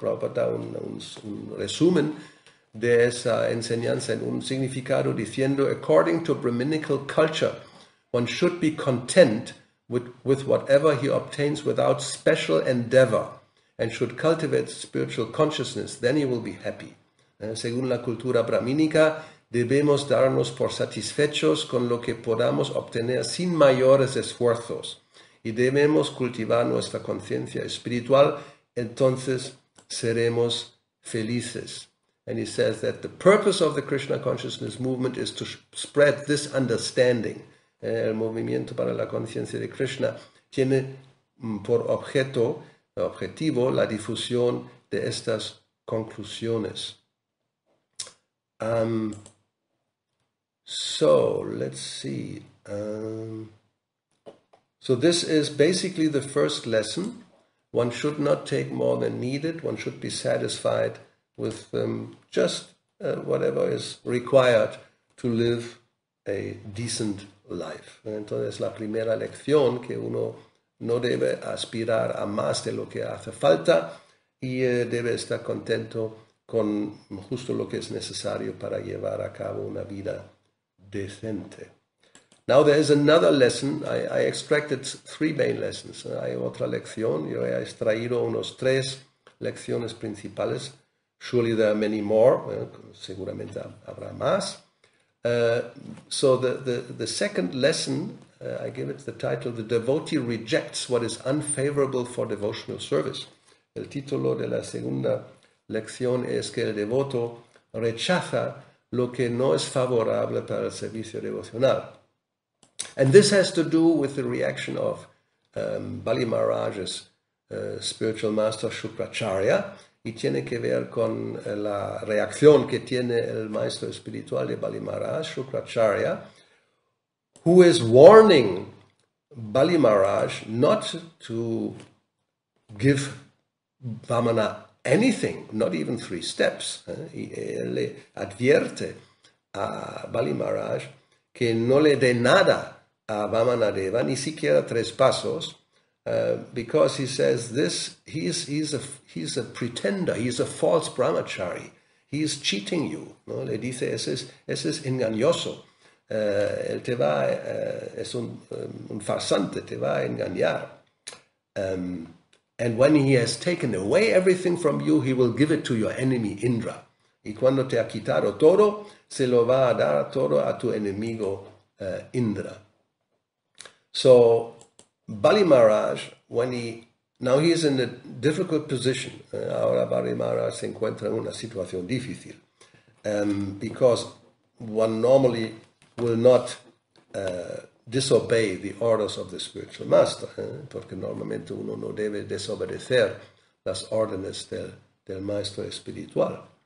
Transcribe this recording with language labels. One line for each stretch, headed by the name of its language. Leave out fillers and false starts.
Spanish: Prabhupada da un resumen de esa enseñanza en un significado diciendo,
English: according to Brahminical culture, one should be content with whatever he obtains without special endeavor and should cultivate spiritual consciousness, then he will be happy.
Spanish: Según la cultura brahmínica, debemos darnos por satisfechos con lo que podamos obtener sin mayores esfuerzos y debemos cultivar nuestra conciencia espiritual, entonces seremos felices.
English: And he says that the purpose of the Krishna consciousness movement is to spread this understanding.
Spanish: El movimiento para la conciencia de Krishna tiene por objetivo la difusión de estas conclusiones.
English: So let's see. So this is basically the first lesson. One should not take more than needed. One should be satisfied with just whatever is required to live a decent life.
Spanish: Entonces la primera lección, que uno no debe aspirar a más de lo que hace falta y debe estar contento con justo lo que es necesario para llevar a cabo una vida decente.
English: Now there is another lesson. I extracted three main lessons.
Spanish: Hay otra lección. Yo he extraído unos tres lecciones principales
English: Surely there are many more,
Spanish: seguramente habrá más.
English: So the second lesson, I give it the title, The Devotee Rejects What Is Unfavorable for Devotional Service.
Spanish: El título de la segunda lección es que el devoto rechaza lo que no es favorable para el servicio devocional.
English: And this has to do with the reaction of Bali Maharaj's spiritual master Shukracharya,
Spanish: y tiene que ver con la reacción que tiene el maestro espiritual de Bali Maharaj, Shukracharya,
English: who is warning Bali Maharaj not to give Vamana anything, not even three steps.
Spanish: Él le advierte a Bali Maharaj que no le dé nada a Vamana Deva, ni siquiera tres pasos,
English: because he says this, he's a pretender, he's a false brahmachari, he is cheating you.
Spanish: ¿No? Le dice, ese es engañoso, él te va, es un farsante, te va a engañar.
English: And when he has taken away everything from you, he will give it to your enemy Indra.
Spanish: Y cuando te ha quitado todo, se lo va a dar todo a tu enemigo Indra.
English: So, Bali Maharaj, he's in a difficult position.
Spanish: Ahora Bali Maharaj se encuentra en una situación difícil.
English: Because one normally will not disobey the orders of the spiritual master.
Spanish: Porque normalmente uno no debe desobedecer las órdenes del maestro espiritual.